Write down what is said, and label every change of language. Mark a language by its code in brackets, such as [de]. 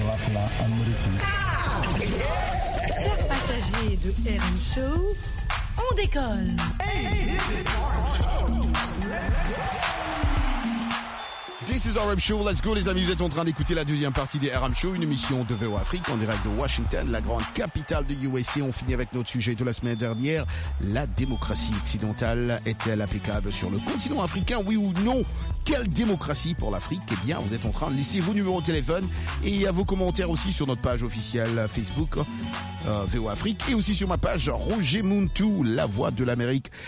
[fr] Chers passagers de RM Show, on décolle. [en] Hey, this is RM Show. Let's go. This is RM Show. Let's go, [fr] les amis. Vous êtes en train d'écouter la deuxième partie des RM Show, une émission de VO Afrique en direct de Washington, la grande capitale de USA. On finit avec notre sujet de la semaine dernière. La démocratie occidentale est-elle applicable sur le continent africain? Oui ou non? Quelle démocratie pour l'Afrique? Eh bien, vous êtes en train de laisser vos numéros de téléphone et à vos commentaires aussi sur notre page officielle Facebook, VO Afrique, et aussi sur ma page Roger Muntou, la voix de l'Amérique.